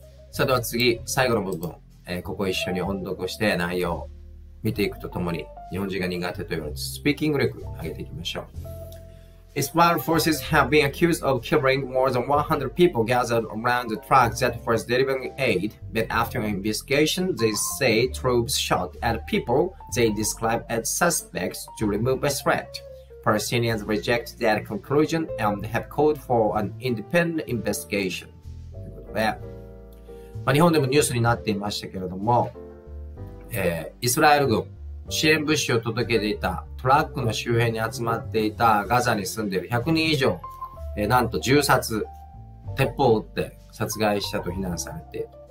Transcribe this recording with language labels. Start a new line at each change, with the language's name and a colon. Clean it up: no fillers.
Japanese: さあでは次最後の部分、ここ一緒に音読して内容を見ていくとともに日本人が苦手と言われるスピーキング力を上げていきましょう。
English: Israel forces have been accused of killing more than 100 people gathered around the truck that was delivering aid, but after an investigation, they say troops shot at people they describe as suspects to remove a threat. Palestinians reject that conclusion and have called for an independent investigation.
Japanese: まあ、日本でもニュースになっていましたけれども、イスラエル軍支援物資を届けていたトラックの周辺に集まっていたガザに住んでいる100人以上、なんと銃殺、鉄砲を撃って殺害したと非難されている。